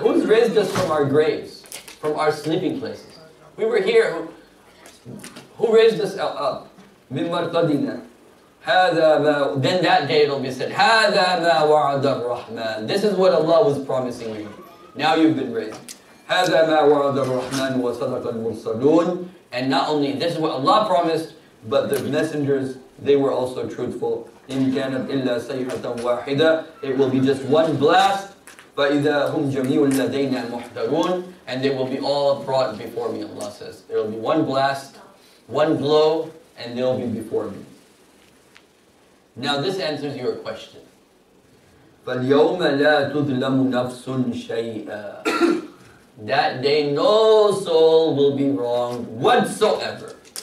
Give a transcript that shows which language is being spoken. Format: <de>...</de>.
<en>Who's raised us from our graves, from our sleeping places? We were here. Who raised us up?</en> <ar>مِنْ مَرْقَدِنَا.</ar> <en>Then that day it'll be said,</en> <ar>هذا ما وعد الرحمن.</ar> <en>This is what Allah was promising you. Now you've been raised.</en> <ar>هذا ما وعد الرحمن وصدق المرسلون.</ar> <en>And not only this is what Allah promised, but the messengers, they were also truthful.</en> <ar>إن كانت إلا سيحة واحدة.</ar> <en>It will be just one blast.</en> <ar>فإذا هم جميع لدينا محضرون.</ar> <en>And they will be all brought before me, Allah says. There will be one blast, one blow, and they'll be before me. Now this answers your question.</en> <ar>فَالْيَوْمَ لَا تُظْلَمُ نَفْسٌ شَيْئًا.</ar> <en>That day no soul will be wrong whatsoever.</en>